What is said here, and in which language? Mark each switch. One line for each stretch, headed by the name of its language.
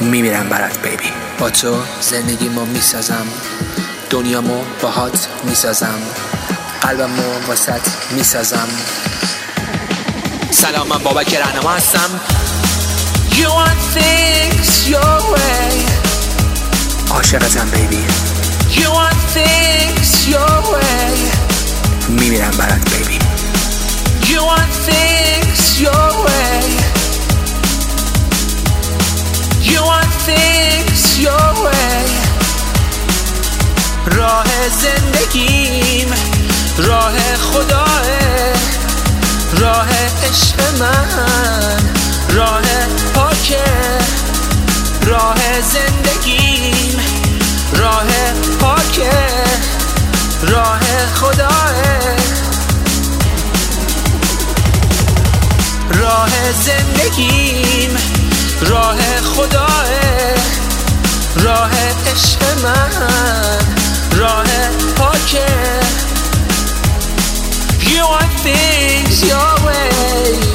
Persian: میمیرم برات بیبی. با تو زندگیمو میسازم، دنیامو باهات میسازم، قلبمو واسط میسازم. سلام، من بابک رهنما هستم.
English: You want things your way.
Persian: عاشقتم بیبی.
English: You want things your way.
Persian: میمیرم برات بیبی.
English: You want things your way. You want things your way.
Persian: راه زندگیم راه خداه، راه عشق من، راه پاکه، راه زندگیم راه پاکه، راه خداه، راه زندگیم راه خداه، راه عشق من، راه پاکه.
English: You want things your way.